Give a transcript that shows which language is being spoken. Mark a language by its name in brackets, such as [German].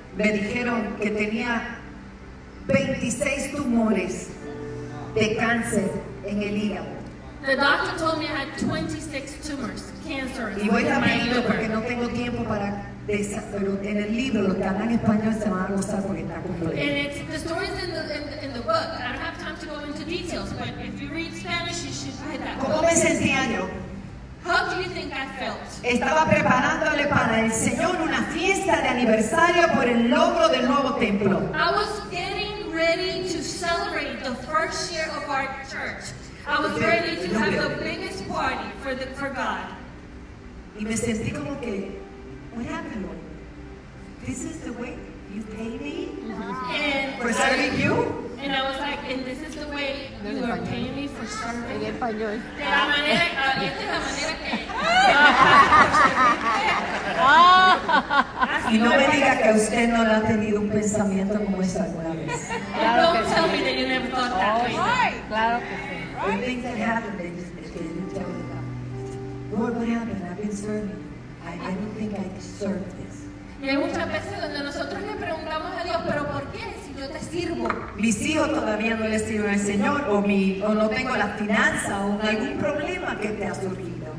[Spanish] me dijeron que tenía 26 tumores de cáncer en el hígado. [English] The doctor told me I had 26 tumors, cancer. [Spanish] Y voy rapidito porque no tengo tiempo para esa, pero en el libro lo que habla en español se van a gozar porque está completo. [English] And it's the stories in the book. I don't have time to go into details, but if you read Spanish, you should read that. [Spanish] ¿Cómo me sentía yo? [English] How do you think I felt? [Spanish] Estaba preparándole para el Señor una fiesta de aniversario por el logro del nuevo templo. [English] I was getting ready to celebrate the first year of our church. I was ready to have the biggest party for God. [Spanish] Y me sentí como que, [English] what happened, Lord? This is the way you pay me? For serving you? And I was like, and this is the way you are paying me for serving. [Spanish] En español. De la manera, esta es la manera que. Y no me diga que usted no ha tenido un pensamiento como ese alguna vez. [English] Don't tell me that you never thought that way. [Spanish] Claro que sí. [English] The things that happened, they just didn't tell me about. Lord, what happened? I've been serving. I don't think I deserve this. [Spanish] Y hay muchas veces donde nosotros le preguntamos a Dios, pero ¿por qué si yo te sirvo? Mis hijos todavía no le sirven al Señor, o no tengo la finanza, o no hay algún problema que te ha surgido.